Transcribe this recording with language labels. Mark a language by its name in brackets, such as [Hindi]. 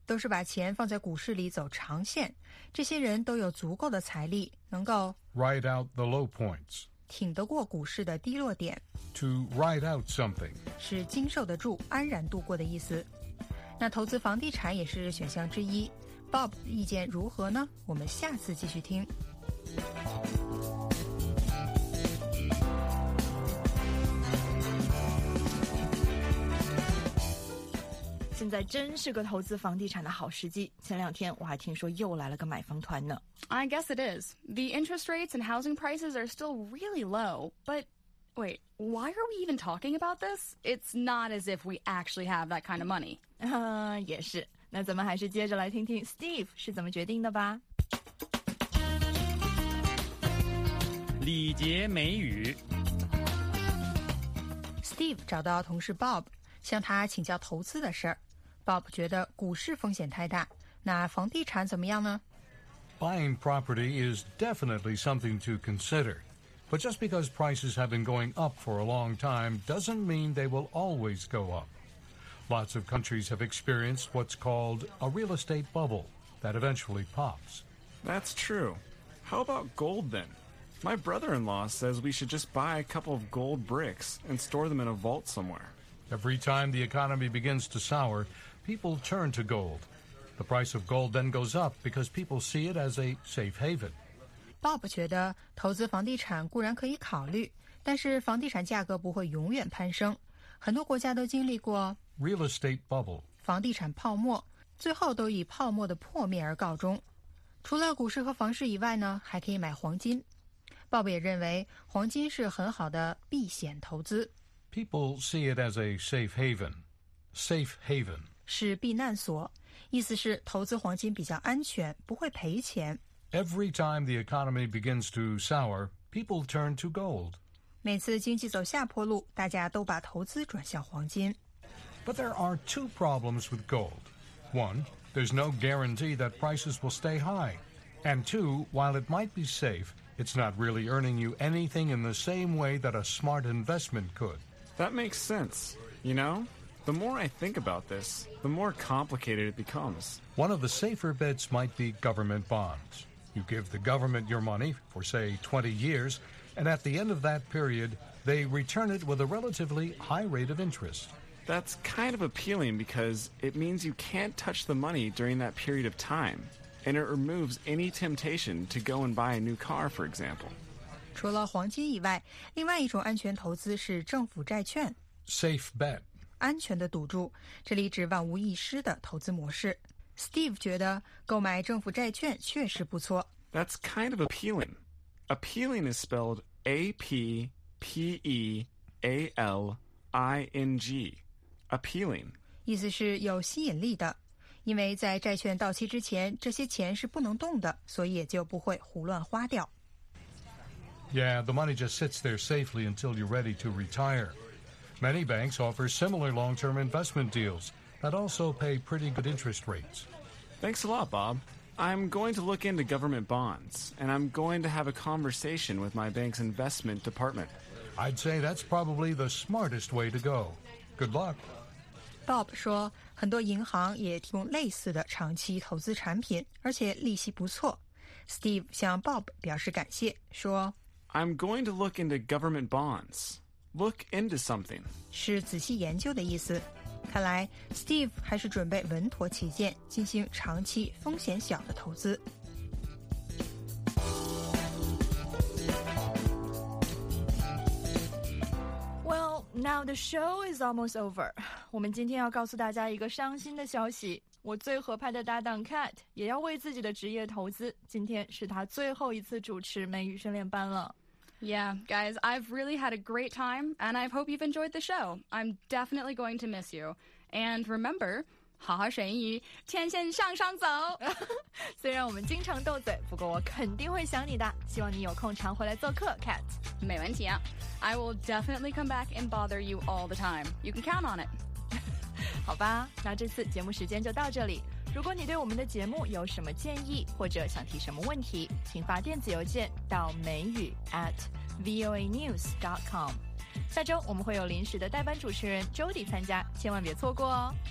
[Chinese] 都是把钱放在股市里走长线，这些人都有足够的财力能够 [English] ride out the low points [Chinese] 挺得过股市的低落点。 [English] To ride out something [Chinese] 是经受得住，安然度过的意思。那投资房地产也是选项之一， Bob 意见如何呢？我们下次继续听。现在真是个投资房地产的好时机，前两天我还听说又来了个买房团呢。 [English] I guess it is. The interest rates and housing prices are still really low, but wait, why are we even talking about this? It's not as if we actually have that kind of money. [Chinese] 也是，那咱们还是接着来听听 Steve 是怎么决定的吧。礼节美语。 Steve 找到同事 Bob， 向他请教投资的事儿。 Bob 觉得股市风险太大，那房地产怎么样呢？ [English] Buying property is definitely something to consider. But just because prices have been going up for a long time doesn't mean they will always go up. Lots of countries have experienced what's called a real estate bubble that eventually pops. That's true. How about gold then? My brother-in-law says we should just buy a couple of gold bricks and store them in a vault somewhere. Every time the economy begins to sour, people turn to gold. The price of gold then goes up because people see it as a safe haven. [Chinese] Bob 觉得投资房地产固然可以考虑，但是房地产价格不会永远攀升。很多国家都经历过 [English] real estate bubble [Chinese] 房地产泡沫，最后都以泡沫的破灭而告终。除了股市和房市以外呢，还可以买黄金。Bob 也认为黄金是很好的避险投资。 [English] People see it as a safe haven. Safe haven [Chinese] 是避难所。意思是投资黄金比较安全，不会赔钱。 [English] Every time the economy begins to sour, people turn to gold. [Chinese] 每次经济走下坡路，大家都把投资转向黄金。 [English] But there are two problems with gold. One, there's no guarantee that prices will stay high. And two, while it might be safe, it's not really earning you anything in the same way that a smart investment could. That makes sense, you know? The more I think about this, the more complicated it becomes. One of the safer bets might be government bonds. You give the government your money for, say, 20 years, and at the end of that period, they return it with a relatively high rate of interest. That's kind of appealing because it means you can't touch the money during that period of time, and it removes any temptation to go and buy a new car, for example. [Chinese] 除了黄金以外，另外一种安全投资是政府债券。 [English] Safe bet. [Chinese] 安全的赌注，这里指万无一失的投资模式。 Steve 觉得购买政府债券确实不错。 [English] That's kind of appealing. Appealing is spelled A-P-P-E-A-L-I-N-G. Appealing. [Chinese] 意思是有吸引力的，因为在债券到期之前，这些钱是不能动的，所以也就不会胡乱花掉。 [English] Yeah, the money just sits there safely until you're ready to retire. Many banks offer similar long-term investment deals that also pay pretty good interest rates. Thanks a lot, Bob. I'm going to look into government bonds, and I'm going to have a conversation with my bank's investment department. I'd say that's probably the smartest way to go. Good luck. [Chinese] Bob 说，很多银行也提供类似的长期投资产品，而且利息不错。 Steve 向 Bob 表示感谢，说 [English] I'm going to look into government bonds. Look into something. [Chinese] 是仔细研究的意思。看来 Steve 还是准备稳妥起见，进行长期风险小的投资。 [English] Well, now the show is almost over. [Chinese] 我们今天要告诉大家一个伤心的消息，我最合拍的搭档 Cat 也要为自己的职业投资。今天是他最后一次主持美语训练班了。 [English] Yeah, guys, I've really had a great time, and I hope you've enjoyed the show. I'm definitely going to miss you. And remember, [Chinese] 好好学英语，天线向上走。虽然我们经常斗嘴，不过我肯定会想你的。希望你有空常回来做客 ，Cat。没问题啊 [English] ，I will definitely come back and bother you all the time. You can count on it. [Chinese] 好吧，那这次节目时间就到这里。如果你对我们的节目有什么建议或者想提什么问题，请发电子邮件到美语 @voanews.com。下周我们会有临时的代班主持人 Jody 参加，千万别错过哦。